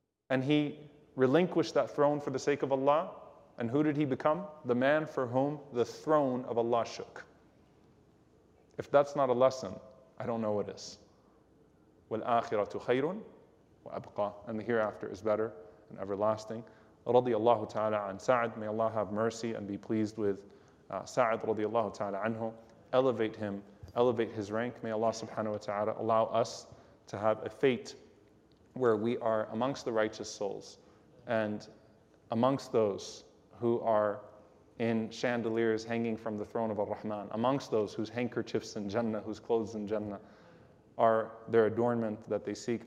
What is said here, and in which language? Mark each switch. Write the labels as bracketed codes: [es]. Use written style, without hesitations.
[en] And he relinquished that throne for the sake of Allah. And who did he become? The man for whom the throne of Allah shook. If that's not a lesson, I don't know what is. [ar] وَالْآخِرَةُ خَيْرٌ وَأَبْقَى, [en] and the hereafter is better and everlasting. [ar] رضي الله تعالى عن سعد, [en] may Allah have mercy and be pleased with [ar] سعد رضي الله تعالى عنه. [en] Elevate him, elevate his rank. May Allah subhanahu wa ta'ala allow us to have a fate where we are amongst the righteous souls and amongst those who are in chandeliers hanging from the throne of Ar-Rahman, amongst those whose handkerchiefs in Jannah, whose clothes in Jannah are their adornment that they seek.